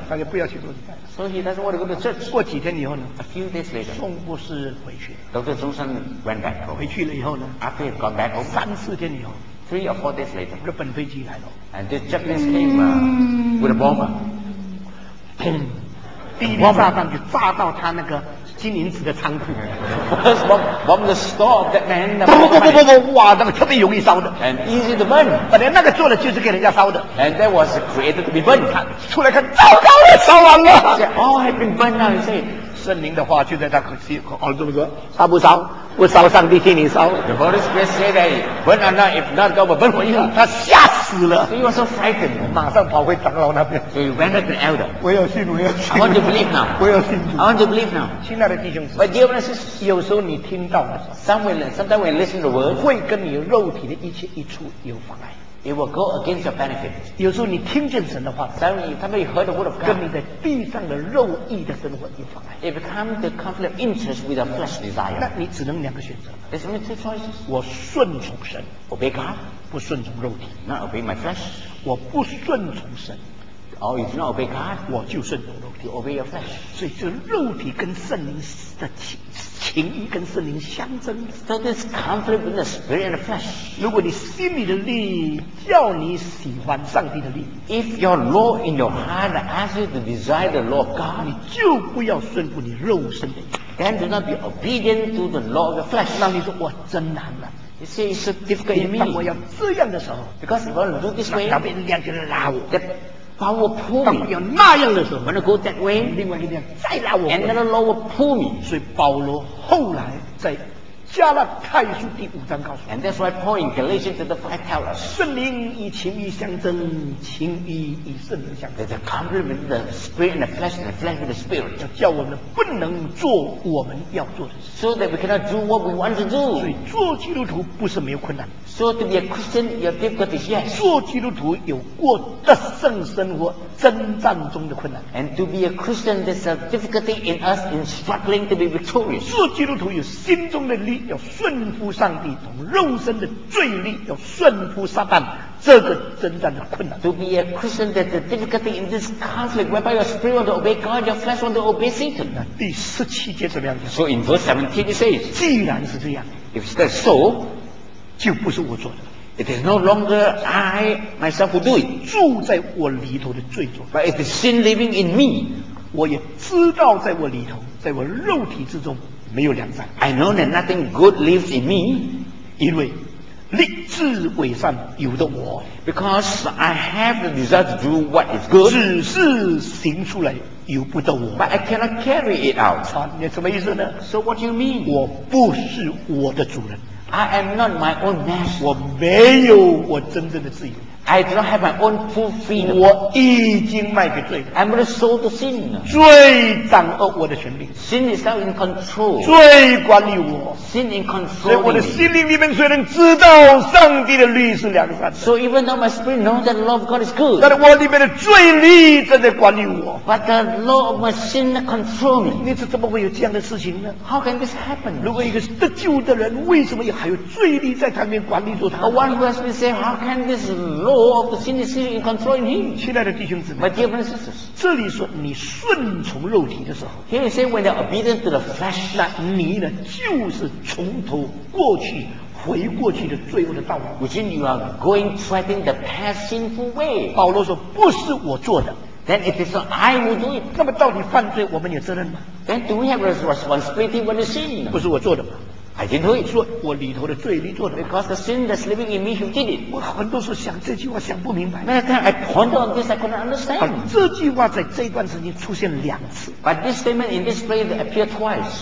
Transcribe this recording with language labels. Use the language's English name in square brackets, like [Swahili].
[Chinese] 他就不要去做礼拜。 [English] So he doesn't want to go to church。 [Chinese] 过几天以后呢 [English] ？A few days later。 [Chinese] 宋博士回去。 [English] Dr. Zhong Song went back home。 [Chinese] 回去了以后呢 [English] ？After he gone back home。 [Chinese] 三四天以后。 [English] Three or four days later。 [Chinese] 日本飞机来了。 [English] And this Japanese came with a bomber。 [Chinese] 砰！第一枚炸弹就炸到他那个。金银纸的仓库。 [English] First bomb the store of that man. [Chinese] 不，哇，那个特别容易烧的。 [English] And easy to burn. [Chinese] 本来那个做的就是给人家烧的。 [English] And that was created to be burned. [Chinese] 看出来看，糟糕了，烧完了。 [English] He said, "All have been burned." He said, [Chinese] 圣灵的话就在他口里，耳朵里说，烧不烧？我烧上帝替你烧。 [English] The Holy Spirit said that when I'm not, if not God will burn for you. [Chinese] 他吓死了。 [English] So he was so frightened. [Chinese] 马上跑回长老那边。 [English] So he went to the elder. [Chinese] 我要信，我要信。 [English] I want to believe now. [Chinese] 我要信。 [English] I want to believe now. [Chinese] 亲爱的弟兄姊 [English] 妹。But dear brothers, [Chinese] 有时候你听到了。 [English] Sometimes we listen to the word. [Chinese] 会跟你肉体的一切一处有妨碍。 [English] It will go against your benefit. [Chinese] 有时候你听见神的话， [English] sometimes you heard the word of God, [Chinese] 跟你的地上的肉欲的生活有妨碍。 [English] It becomes the conflict of interest with your flesh desire. [Chinese] 那你只能两个选择。 [English] There's only two choices. [Chinese] 我顺从神， [English] obey God, [Chinese] 不顺从肉体， [English] not obey my flesh. [Chinese] 我不顺从神， [English] or if you not obey God, [Chinese] 我就顺从肉体， [English] you obey your flesh. [Chinese] 所以这肉体跟圣灵的情欲跟圣灵相争。 [English] So this conflict between the spirit and the flesh. [Chinese] 如果你心里的力叫你喜欢上帝的力， [English] if your law in your heart asks you to desire the law of God, [Chinese] 你就不要顺服你肉身的。 [English] Then do not be obedient to the law of the flesh. [Chinese] 那你说我真难了。 [English] You see, it's so difficult in me. [Chinese] 当我要这样的时候， [English] because if I want to do this way, [Chinese] 那边两个人拉我。 [English] Power will pull me. [Chinese] 当我要那样的时候， [English] when I go that way, [Chinese] 另外一边再拉我， [English] and another law will pull me. [Chinese] 所以保罗后来在加拉太书第五章告诉我， [English] and that's why Paul in Galatians chapter 5 tells us, [Chinese] 圣灵与情欲相争，情欲与圣灵相争。 [English] There's a conflict between the spirit and the flesh, and the flesh with the spirit. [Chinese] 要叫我们不能做我们要做的事， [English] so that we cannot do what we want to do. [Chinese] 所以做基督徒不是没有困难。 [English] So to be a Christian, your difficulty is yes. [Chinese] 做基督徒有过得胜生活征战中的困难。 [English] And to be a Christian, there's a difficulty in us in struggling to be victorious. [Chinese] 做基督徒有心中的力。要顺服上帝，从肉身的罪力要顺服撒旦，这个征战的困难。 [English] To be a Christian, there's a difficulty in this conflict whereby your spirit wants to obey God, your flesh wants to obey Satan. [Chinese] 那第十七节怎么样？ [English] So in verse 17 it says, [Chinese] 既然是这样， [English] if that's so, [Chinese] 就不是我做的。 [English] It is no longer I myself who do it. [Chinese] 住在我里头的罪做。 [English] But it is sin living in me. [Chinese] 我也知道在我里头，在我肉体之中。没有良善。 [English] I know that nothing good lives in me, [Chinese] 因为立志为善由得我。 [English] Because I have the desire to do what is good, [Chinese] 只是行出来由不得我。 [English] But I cannot carry it out. [Chinese] 你什么意思呢？ [English] So what do you mean? [Chinese] 我不是我的主人。 [English] I am not my own master. [Chinese] 我没有我真正的自由。 [English] I do not have my own full freedom. [Chinese] 我已经卖给罪了。 [English] I'm already sold to sin. [Chinese] 罪掌握我的权柄。 [English] Sin is now in control. [Chinese] 罪管理我。 [English] Sin in control. [Chinese] 所以我的心灵里面虽然知道上帝的律是良善的。 [English] So even though my spirit knows that the law of God is good. [Chinese] 但我里面的罪力正在管理我。 [English] But the law of my sin controls me. [Chinese] 你是怎么会有这样的事情呢？ [English] How can this happen? [Chinese] 如果一个得救的人，为什么还有罪力在他面管理着他？ [English] One who has been saved, how can this law? Of the sin is in controlling him. [Chinese] 亲爱的弟兄姊妹， [English] My dear brothers and sisters, [Chinese] 这里说你顺从肉体的时候， [English] Here you say when they're obedient to the flesh, [Chinese] 那你呢就是从头过去回过去的罪恶的道路， [English] Which means you are going treading the past sinful way. [Chinese] 保罗说不是我做的， [English] Then if it's not I will do it. [Chinese] 那么到底犯罪我们有责任吗？ [English] Then do we have responsibility when we sin? [Chinese] 不是我做的吗？ [English] I didn't do it. [Chinese] 说我里头的罪力做的。 [English] Because the sin that's living in me, he did it. [Chinese] 我很多时候想这句话想不明白。 [English] Many times I pondered on this, I couldn't understand. [Chinese] 这句话在这段时间出现两次。 [English] But this statement in this place appeared twice.